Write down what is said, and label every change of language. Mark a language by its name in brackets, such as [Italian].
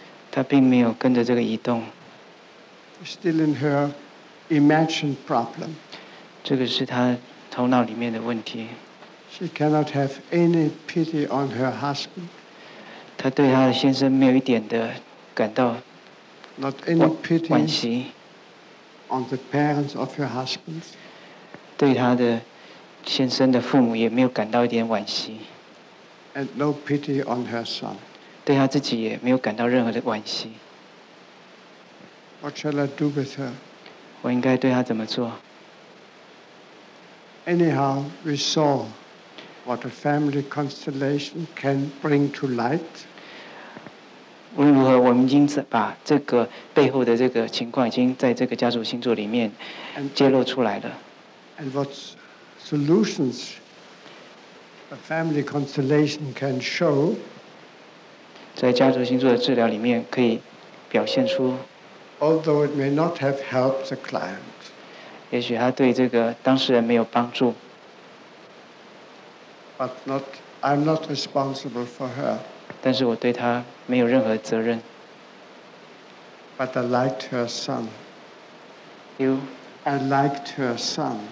[Chinese] 他并没有跟着这个移动。 [English] Still in her imagined problem. [Chinese] 这个是他。头脑里面的问题。 [English] She cannot have any pity on her husband. [Chinese] 她对她的先生没有一点的感到惋惜。 [English] Not any pity on the parents of her husband. [Chinese] 对她的先生的父母也没有感到一点惋惜。 [English] And no pity on her son. [Chinese] 对她自己也没有感到任何的惋惜。 [English] What shall I do with her? [Chinese] 我应该对她怎么做？ [English] Anyhow, we saw what a family constellation can bring to light. [Chinese] 无论如何，我们已经把这个背后的这个情况已经在这个家族星座里面揭露出来了。 [English] And what solutions a family constellation can show? [Chinese] 在家族星座的治疗里面可以表现出。 Although it may not have helped the client. 也许他对这个当事人没有帮助。 [English] But not, I'm not responsible for her. [Chinese] 但是我对他没有任何责任。 [English] But I liked her son. You? I liked her son.